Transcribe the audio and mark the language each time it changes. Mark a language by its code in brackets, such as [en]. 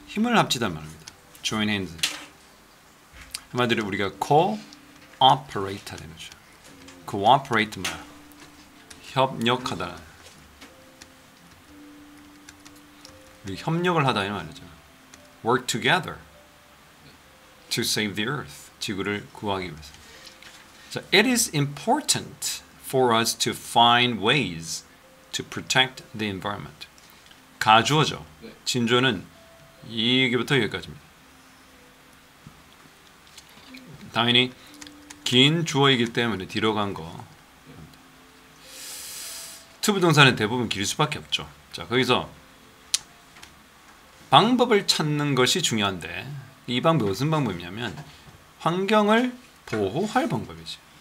[ko] 힘을 합치다 말입니다. [en] join hands, [ko] 한마디로 우리가 cooperate 되는 거죠. cooperate 말, 협력하다. 협력을 하다 이런 말이죠. [en] work together to save the earth, [ko] 지구를 구하기 위해서. [en] So it is important for us to find ways to protect the environment. [ko] 가주어죠. 진주어는 여기부터 여기까지입니다. 당연히 긴 주어이기 때문에 뒤로 간 거. 투부 동사는 대부분 길 수밖에 없죠. 자, 거기서 방법을 찾는 것이 중요한데 이 방법이 무슨 방법이냐면 환경을 보호할 방법이지.